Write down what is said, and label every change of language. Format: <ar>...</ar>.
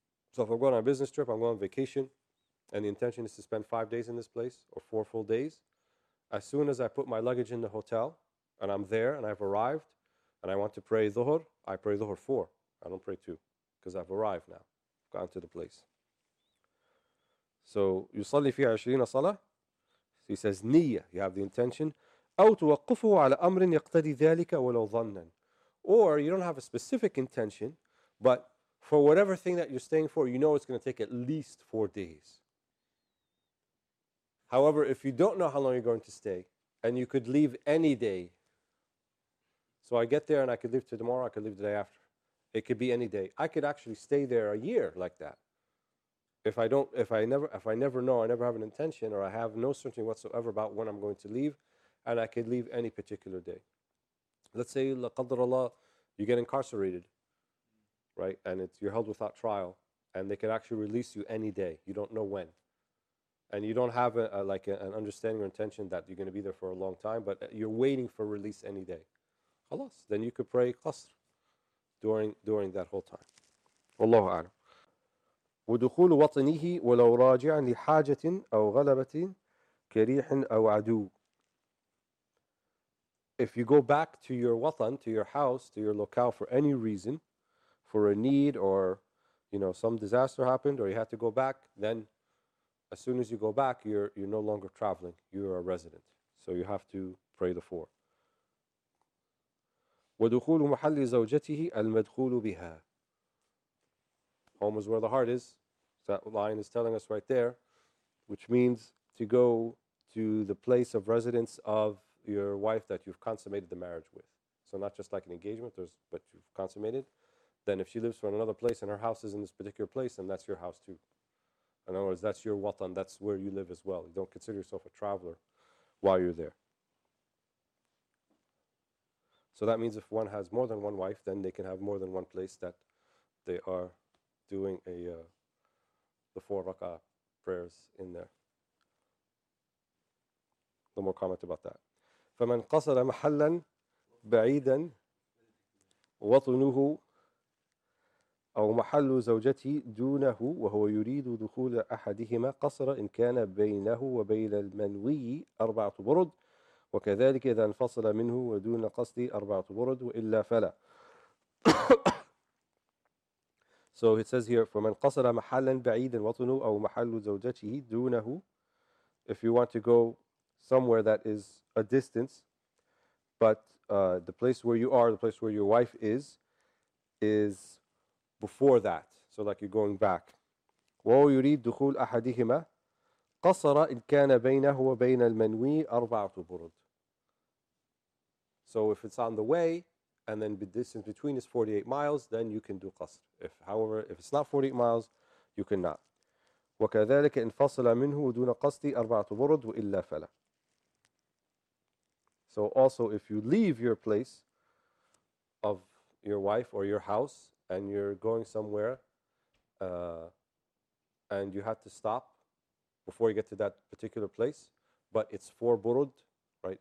<en>So if I'm going on a business trip, I'm going on vacation, and the intention is to spend 5 days in this place, or four full days, as soon as I put my luggage in the hotel, and I'm there, and I've arrived, and I want to pray Dhuhr, I pray Dhuhr four. I don't pray two, because I've arrived now. I've gotten to the place.</en> <ar>So, يصلي فيها 20 صلاة.</ar> <en>He says, نية, you have the intention.</en> <ar>أو توقفه على أمر يقتدي ذلك ولو ظنًا.</ar> <en>Or, you don't have a specific intention, but for whatever thing that you're staying for, you know it's going to take at least 4 days. However, if you don't know how long you're going to stay, and you could leave any day, so I get there and I could leave tomorrow, I could leave the day after. It could be any day. I could actually stay there a year like that. If I never have an intention, or I have no certainty whatsoever about when I'm going to leave, and I could leave any particular day. Let's say,</en> <ar>la qadr Allah,</ar> <en>you get incarcerated, right? And you're held without trial, and they could actually release you any day. You don't know when. And you don't have an understanding or intention that you're going to be there for a long time, but you're waiting for release any day.</en> <ar>خلاص.</ar> <en>Then you could pray قصر during that whole time.</en> <ar>والله أعلم. ودخول وطنه ولو راجعا لحاجة أو غلبة كريح أو عدو.</ar> <en>If you go back to your وطن, to your house, to your locale for any reason, for a need or you know some disaster happened or you had to go back, then as soon as you go back, you're no longer traveling. You're a resident. So you have to pray the four.</en> <ar>ودخول محل زوجته المدخول بها.</ar> <en>Home is where the heart is. That line is telling us right there, which means to go to the place of residence of your wife that you've consummated the marriage with. So not just like an engagement, but you've consummated. Then if she lives in another place and her house is in this particular place, then that's your house too. In other words, that's your watan, that's where you live as well. You don't consider yourself a traveler while you're there. So that means if one has more than one wife, then they can have more than one place that they are doing the four rak'ah prayers in there. No more comment about that.</en> <ar>فَمَنْ قَصَرَ مَحَلًا بَعِيدًا وَطُنُهُ أو محل زوجته دونه وهو يريد دخول أحدهما قصر إن كان بينه وبين المنوي أربعة برد وكذلك إذا انفصل منه ودون قصد أربعة برد وإلا فلا.</ar> <en>So it says here,</en> <ar>فمن قصر محلا بعيدا وطنه أو محل زوجته دونه.</ar> <en>If you want to go somewhere that is a distance, but the place where you are, the place where your wife is before that, so like you're going back.</en> <ar>وهو يريد دخول أحدهما قصر إن كان بينه وبين المنوي أربعة برد.</ar> <en>So if it's on the way, and then the distance between is 48 miles, then you can do قصر. However, if it's not 48 miles, you cannot.</en> <ar>وكذلك انفصل منه دون قصد أربعة برد وإلا فلا.</ar> <en>So also, if you leave your place of your wife or your house, and you're going somewhere, and you have to stop before you get to that particular place, but it's four burud, right?</en>